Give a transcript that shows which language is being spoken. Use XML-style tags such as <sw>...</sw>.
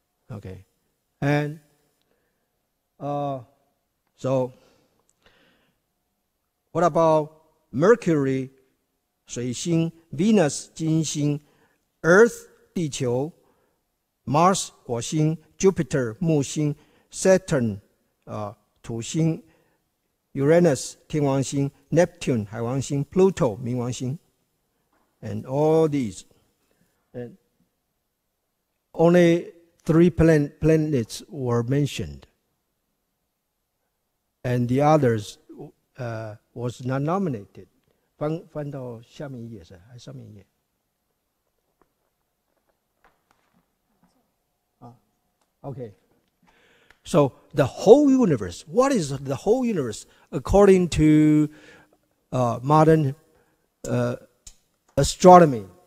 <en>Okay, and so what about Mercury, 水星, Venus, 金星, Earth, 地球, Mars, 火星, Jupiter, 木星, Saturn, 土星, Uranus, 天王星, Neptune, 海王星, Pluto, 冥王星, and all these. And only three planets were mentioned, and the others was not nominated.</en> <zh>翻到下面一页是，还上面一页。</zh> <en>Okay, so the whole universe, what is the whole universe according to modern astronomy?</en>